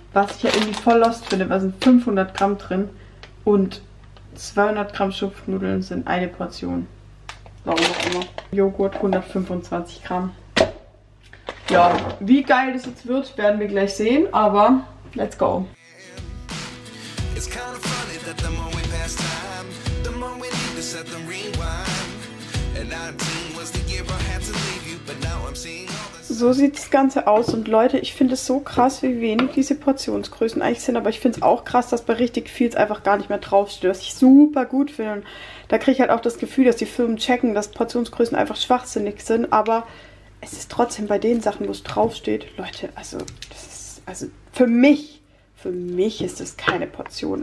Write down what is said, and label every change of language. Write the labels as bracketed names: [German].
[German] Was ich ja irgendwie voll lost finde, weil sind 500 Gramm drin. Und 200 Gramm Schupfnudeln sind eine Portion. Warum auch immer. Joghurt 125 Gramm. Ja, wie geil das jetzt wird, werden wir gleich sehen. Aber [English] let's go. It's kind of funny that the more we pass time, the more we need to set them rewind. And 19 was the year I had to leave you, but now I'm seeing all the... [German] So sieht das Ganze aus. Und Leute, ich finde es so krass, wie wenig diese Portionsgrößen eigentlich sind. Aber ich finde es auch krass, dass bei richtig viel es einfach gar nicht mehr draufsteht. Was ich super gut finde. Und da kriege ich halt auch das Gefühl, dass die Firmen checken, dass Portionsgrößen einfach schwachsinnig sind. Aber es ist trotzdem bei den Sachen, wo es draufsteht. Leute, also das ist also für mich ist das keine Portion.